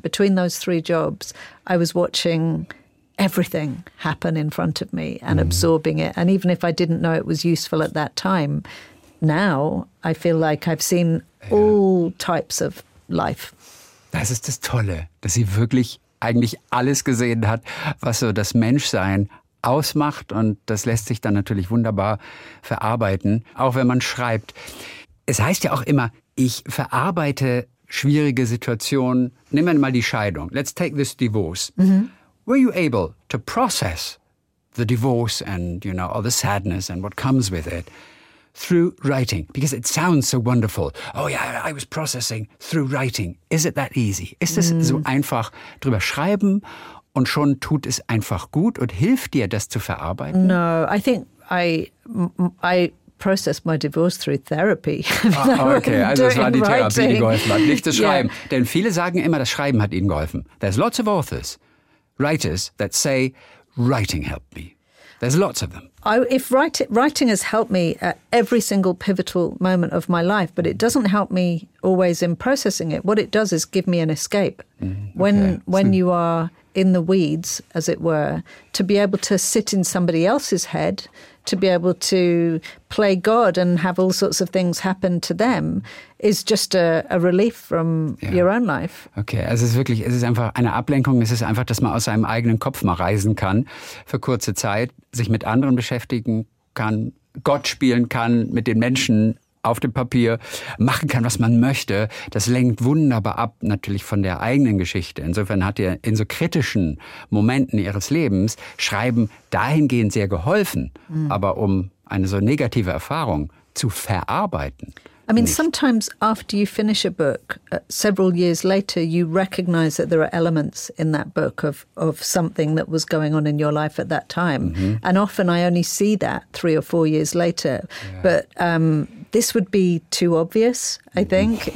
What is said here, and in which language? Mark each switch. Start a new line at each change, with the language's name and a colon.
English: Between those three jobs, I was watching everything happen in front of me and absorbing it. And even if I didn't know it was useful at that time, now I feel like I've seen all types of life.
German: Das ist das Tolle, dass sie wirklich eigentlich alles gesehen hat, was so das Menschsein ausmacht. Und das lässt sich dann natürlich wunderbar verarbeiten, auch wenn man schreibt. Es heißt ja auch immer, ich verarbeite schwierige Situationen. Nehmen wir mal die Scheidung.
English: Let's take this divorce. Were you able to process the divorce and, you know, all the sadness and what comes with it through writing? Because it sounds so wonderful. Oh yeah, I was processing through writing. Is it that easy?
German: Ist es so einfach, drüber schreiben und schon tut es einfach gut und hilft dir, das zu verarbeiten?
English: No, I think I processed my divorce through therapy.
German: Okay, also es war die Therapie, die geholfen hat, nicht das Schreiben. Yeah. Denn viele sagen immer, das Schreiben hat ihnen geholfen.
English: There's lots of authors. Writers that say, writing helped me. There's lots of them. Writing has helped me at every single pivotal moment of my life, but it doesn't help me always in processing it. What it does is give me an escape. When you are in the weeds, as it were, to be able to sit in somebody else's head, to be able to play God and have all sorts of things happen to them, is just a relief from your own life.
German: Okay, also es ist einfach eine Ablenkung. Es ist einfach, dass man aus seinem eigenen Kopf mal reisen kann für kurze Zeit, sich mit anderen beschäftigen kann, Gott spielen kann, mit den Menschen auf dem Papier machen kann, was man möchte. Das lenkt wunderbar ab, natürlich von der eigenen Geschichte. Insofern hat ihr in so kritischen Momenten ihres Lebens Schreiben dahingehend sehr geholfen. Mm. Aber um eine so negative Erfahrung zu verarbeiten.
English: I mean, sometimes after you finish a book, several years later, you recognize that there are elements in that book of something that was going on in your life at that time. Mm-hmm. And often I only see that 3 or 4 years later. Yeah. But this would be too obvious, I think.